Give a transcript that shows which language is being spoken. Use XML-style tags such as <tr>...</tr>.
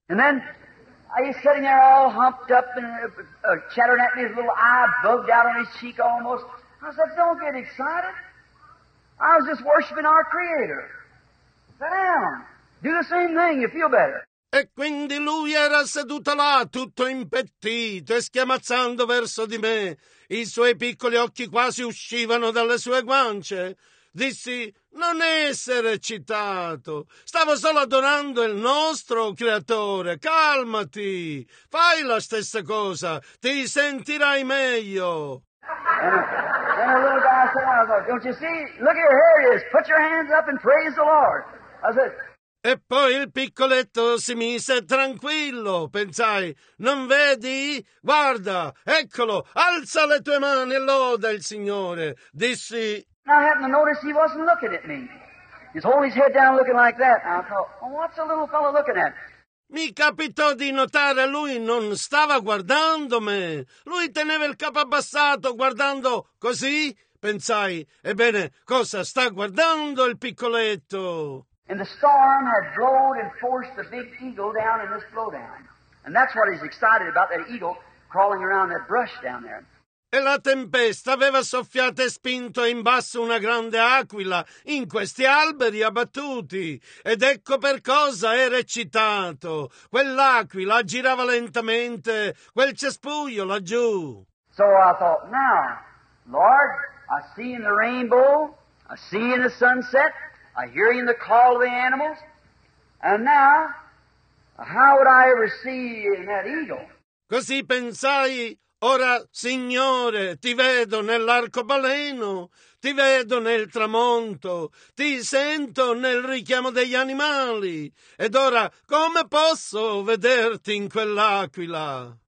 <en>And then I was sitting there all humped up and chattering at me, his little eye bugged out on his cheek almost. I said, don't get excited. I was just worshiping our Creator. Sit down. Do the same thing, you feel better.</en> <it>E quindi lui era seduto là, tutto impettito e schiamazzando verso di me. I suoi piccoli occhi quasi uscivano dalle sue guance. Dissi, non essere eccitato. Stavo solo adorando il nostro Creatore. Calmati. Fai la stessa cosa. Ti sentirai meglio.</it> <en>And a little guy said, don't you see? Look here, here he is. Put your hands up and praise the Lord. I said...</en> <it>E poi il piccoletto si mise tranquillo, pensai, non vedi? Guarda, eccolo, alza le tue mani e loda il Signore. Dissi...</it> <en>I happened to notice he wasn't looking at me. He's holding his head down looking like that. And I thought, well, what's the little fellow looking at?</en> <it>Mi capitò di notare lui non stava guardando me. Lui teneva il capo abbassato guardando così. Pensai, ebbene, cosa sta guardando il piccoletto?</it> <en>And the storm had blowed and forced the big eagle down in this blowdown. And that's what he's excited about, that eagle crawling around that brush down there.</en> <it>E la tempesta aveva soffiato e spinto in basso una grande aquila in questi alberi abbattuti. Ed ecco per cosa era eccitato. Quell'aquila girava lentamente, quel cespuglio laggiù.</it> <en>So I thought, now, Lord, I see in the rainbow, I see in the sunset, I hear in the call of the animals, and now, how would I ever see in that eagle?</en> <it>Così pensai, ora, Signore, ti vedo nell'arcobaleno, ti vedo nel tramonto, ti sento nel richiamo degli animali, ed ora, come posso vederti in quell'aquila?</it>